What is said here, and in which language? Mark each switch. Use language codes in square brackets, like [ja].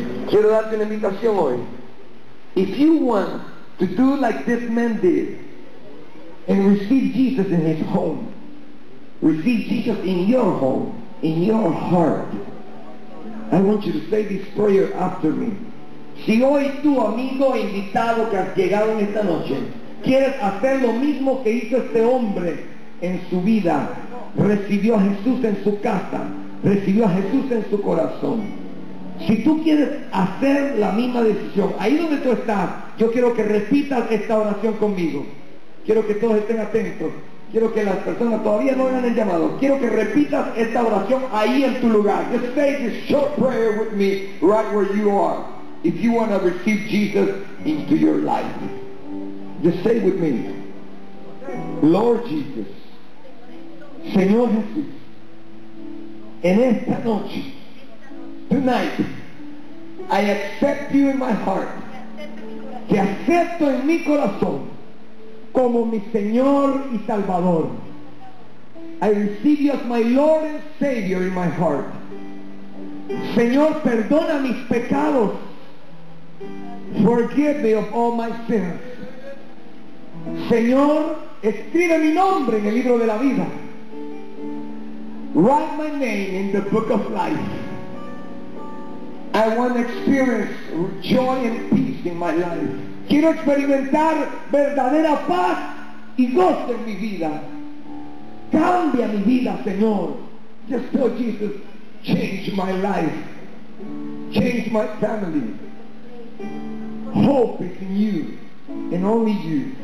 [es] Quiero darte una invitación hoy. [en] If you want to do like this man did and receive Jesus in his home, receive Jesus in your home, in your heart, I want you to say this prayer after me. [es] Si hoy tu amigo invitado que has llegado en esta noche quieres hacer lo mismo que hizo este hombre en su vida, recibió a Jesús en su casa, recibió a Jesús en su corazón. Si tú quieres hacer la misma decisión, ahí donde tú estás, yo quiero que repitas esta oración conmigo. Quiero que todos estén atentos. Quiero que las personas todavía no hagan el llamado. Quiero que repitas esta oración ahí en tu lugar. [en] Just say this short prayer with me right where you are. If you want to receive Jesus into your life, just say with me. Lord Jesus, [es] Señor Jesús, en esta noche, [en] tonight, I accept you in my heart. [es] Te acepto en mi corazón como mi Señor y Salvador. [en] I receive you as my Lord and Savior in my heart. [es] Señor, perdona mis pecados. [en] Forgive me of all my sins. [es] Señor, escribe mi nombre en el libro de la vida. [en] Write my name in the book of life. I want to experience joy and peace in my life. [es] Quiero experimentar verdadera paz y gozo en mi vida. Cambia mi vida, Señor. [en] Just tell Jesus, change my life. Change my family. Hope is in you and only you.